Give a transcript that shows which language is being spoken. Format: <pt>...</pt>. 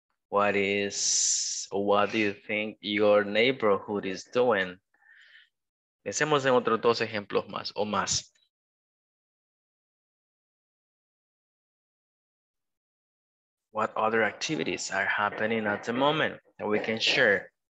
<en>What do you think your neighborhood is doing?</en> <es>Pensemos en otros dos ejemplos más o más.</es> <en>What other activities are happening at the moment that we can share?</en>